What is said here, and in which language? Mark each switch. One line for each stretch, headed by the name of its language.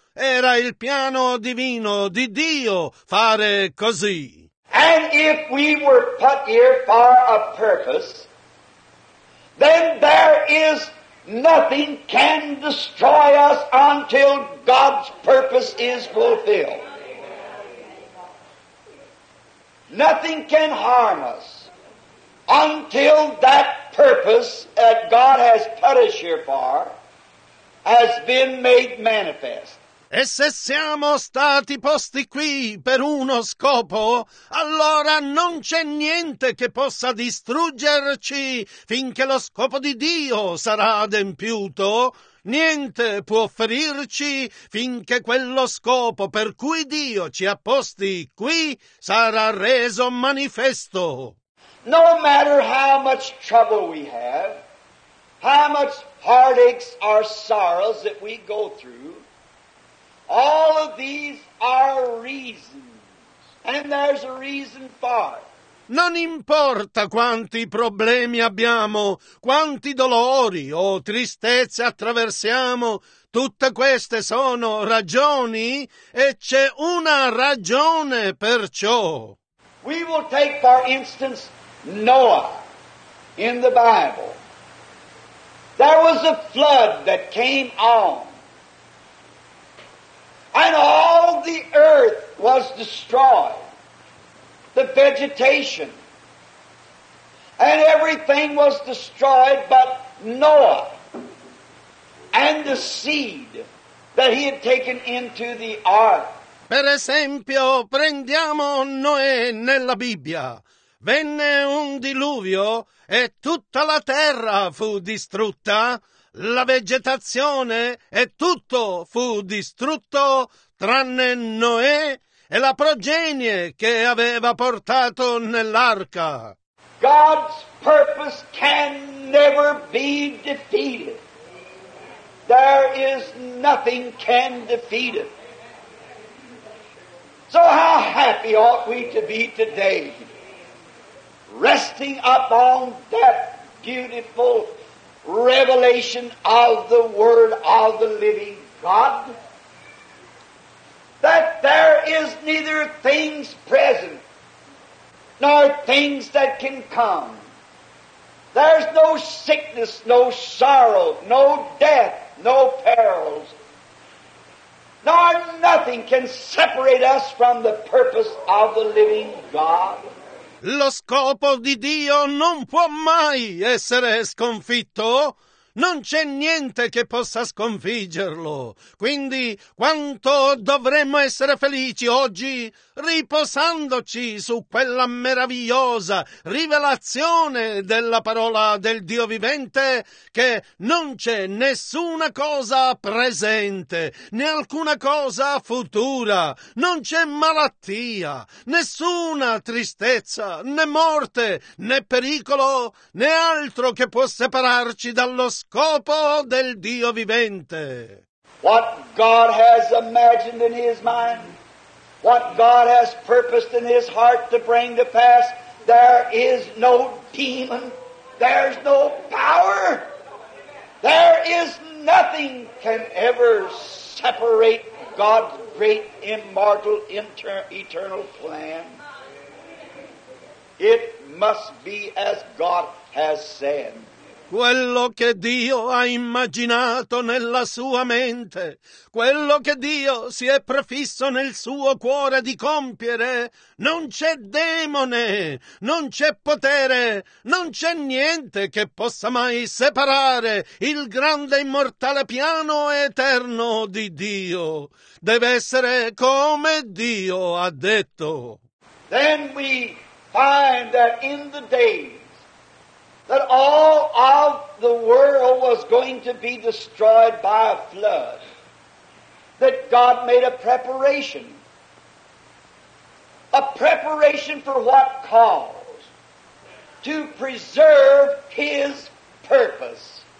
Italian: Era il piano divino di Dio fare così.
English: And if we were put here for a purpose, then there is nothing can destroy us until God's purpose is fulfilled. Nothing can harm us until that purpose that God has put us here for has been made manifest.
Italian: E se siamo stati posti qui per uno scopo, allora non c'è niente che possa distruggerci finché lo scopo di Dio sarà adempiuto. Niente può ferirci finché quello scopo per cui Dio ci ha posti qui sarà reso manifesto.
English: No matter how much trouble we have, how much heartaches or sorrows that we go through, all of these are reasons, and there's a reason for it.
Italian: Non importa quanti problemi abbiamo, quanti dolori o tristezze attraversiamo, tutte queste sono ragioni, e c'è una ragione per ciò.
English: We will take, for instance, Noah in the Bible. There was a flood that came on. And all the earth was destroyed. The vegetation. And everything was destroyed but Noah and the seed that he had taken into the ark.
Italian: Per esempio, prendiamo Noè nella Bibbia. Venne un diluvio e tutta la terra fu distrutta. La vegetazione e tutto fu distrutto, tranne Noè e la progenie che aveva portato nell'arca.
English: God's purpose can never be defeated. There is nothing can defeat it. So how happy ought we to be today, resting upon that beautiful revelation of the Word of the Living God, that there is neither things present nor things that can come. There's no sickness, no sorrow, no death, no perils, nor nothing can separate us from the purpose of the Living God.
Italian: Lo scopo di Dio non può mai essere sconfitto. Non c'è niente che possa sconfiggerlo. Quindi, quanto dovremmo essere felici oggi, riposandoci su quella meravigliosa rivelazione della parola del Dio vivente, che non c'è nessuna cosa presente, né alcuna cosa futura, non c'è malattia, nessuna tristezza, né morte, né pericolo, né altro che può separarci dallo scopo del Dio vivente.
English: What God has imagined in His mind, what God has purposed in His heart to bring to pass, there is no demon, there's no power, there is nothing can ever separate God's great, immortal, eternal plan. It must be as God has said.
Italian: Quello che Dio ha immaginato nella sua mente, quello che Dio si è prefisso nel suo cuore di compiere, non c'è demone, non c'è potere, non c'è niente che possa mai separare il grande immortale piano eterno di Dio. Deve essere come Dio ha detto.
English: Then we find that in the day that all of the world was going to be destroyed by a flood, that God made a preparation. A preparation for what cause? To preserve His purpose.